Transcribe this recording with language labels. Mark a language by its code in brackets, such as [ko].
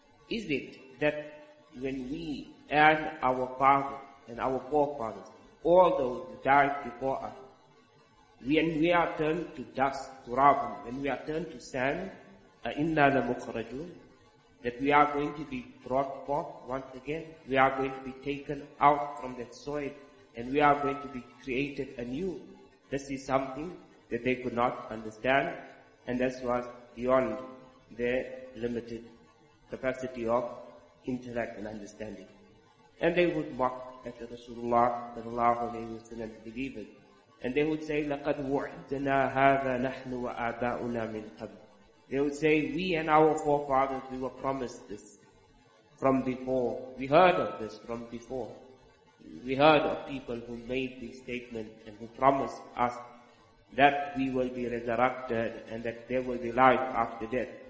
[en] Is it that when we and our father and our forefathers, all those who died before us, when we are turned to dust, to rubble, when we are turned to sand, inna la mukhrajun, that we are going to be brought forth once again, we are going to be taken out from that soil, and we are going to be created anew. This is something that they could not understand, and this was beyond their limited capacity of intellect and understanding. And they would mock at the Rasulullah sallallahu alayhi wa sallam, the believers. And they would say, [ar] لَقَدْ وُعِدْنَا هَذَا نَحْنُ وَآبَاؤُنَا مِنْ قَبْلِ. [en] They would say, we and our forefathers, we were promised this from before. We heard of this from before. We heard of people who made this statement and who promised us that we will be resurrected and that there will be life after death.